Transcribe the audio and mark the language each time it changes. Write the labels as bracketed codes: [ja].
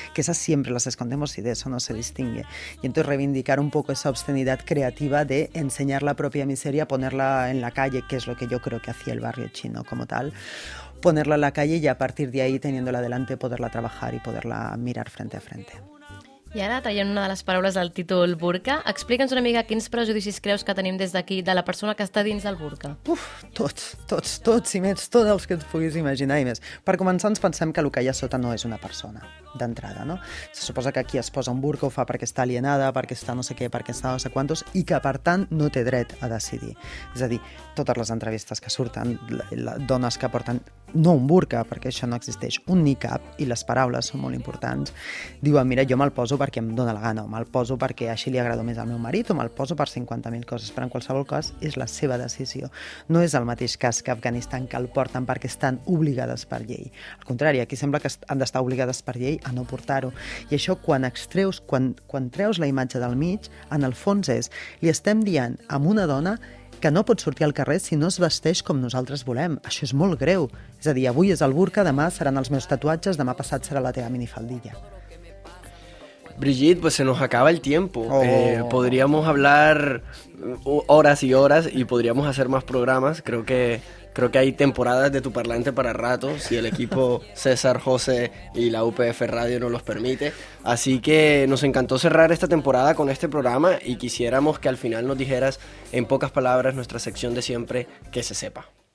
[es] Que esas siempre las escondemos y de eso no se distingue. Y entonces reivindicar un poco esa obscenidad creativa de enseñar la propia miseria, ponerla en la calle, que es lo que yo creo que hacía el barrio chino como tal, ponerla en la calle y a partir de ahí, teniéndola delante, poderla trabajar y poderla mirar frente a frente. [ca] I ara, traient una de les paraules del títol burka, explica'ns una mica quins prejudicis creus que tenim des d'aquí de la persona que està dins del burka. Uf, tots i més, tots els que et puguis imaginar i més. Per començar, ens pensem que el que hi ha sota no és una persona, d'entrada, no? Se suposa que aquí es posa un burka, ho fa perquè està alienada, perquè està no sé què, perquè està no sé quantos, i que, per tant, no té dret a decidir. És a dir, totes les entrevistes que surten, dones que porten, no un burka, perquè això no existeix, un niqab, i les paraules són molt importants, diuen, mira, jo me'l poso perquè em dóna la gana, o me'l poso perquè així li agrado més al meu marit, o me'l poso per 50.000 coses, però en qualsevol cas és la seva decisió. No és el mateix cas que Afganistan, que el porten perquè estan obligades per llei. Al contrari, aquí sembla que han d'estar obligades per llei a no portar-ho. I això, quan extreus, quan treus la imatge del mig, en el fons és, li estem dient a una dona que no pot sortir al carrer si no es vesteix com nosaltres volem. Això és molt greu. És a dir, avui és el burka, demà seran els meus tatuatges, demà passat serà la teva minifaldilla. [es] Brigitte, pues se nos acaba el tiempo. Oh. Podríamos hablar horas y horas y podríamos hacer más programas. Creo que hay temporadas de Tu Parlante para rato, si el equipo César, José y la UPF Radio nos los permite. Así que nos encantó cerrar esta temporada con este programa y quisiéramos que al final nos dijeras en pocas palabras nuestra sección de siempre, que se sepa.